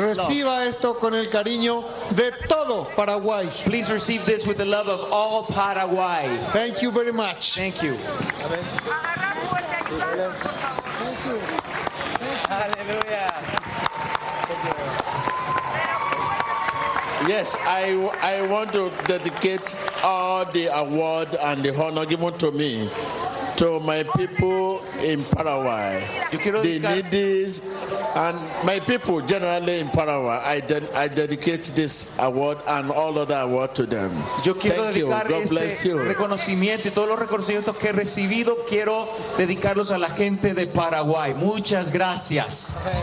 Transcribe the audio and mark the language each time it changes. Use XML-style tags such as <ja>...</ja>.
<es>Reciba esto con el cariño de todo Paraguay.</es> <en>Please receive this with the love of all Paraguay. Thank you very much. Thank you. Hallelujah. Yes, I want to dedicate all the award and the honor given to me to my people in Paraguay, the needies, and my people generally in Paraguay. I dedicate this award and all other awards to them.</en> <es>Yo quiero dedicar</es> <en>God bless you.</en> <es>Reconocimiento y todos los reconocimientos que he recibido quiero dedicarlos a la gente de Paraguay. Muchas gracias.</es>